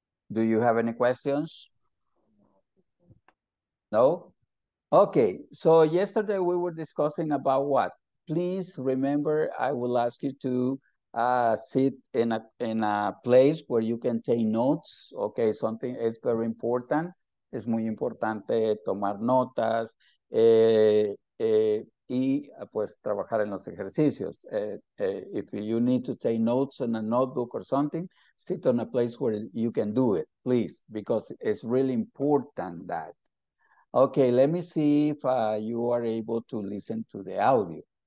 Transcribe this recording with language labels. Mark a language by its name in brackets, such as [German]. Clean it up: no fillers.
[English] Do you have any questions? No? Okay, so yesterday we were discussing about what? Please remember, I will ask you to sit in a place where you can take notes. Okay, something is very important. [Spanish] Es muy importante tomar notas y pues trabajar en los ejercicios. [English] If you need to take notes in a notebook or something, sit on a place where you can do it, please, because it's really important that. Okay, let me see if you are able to listen to the audio.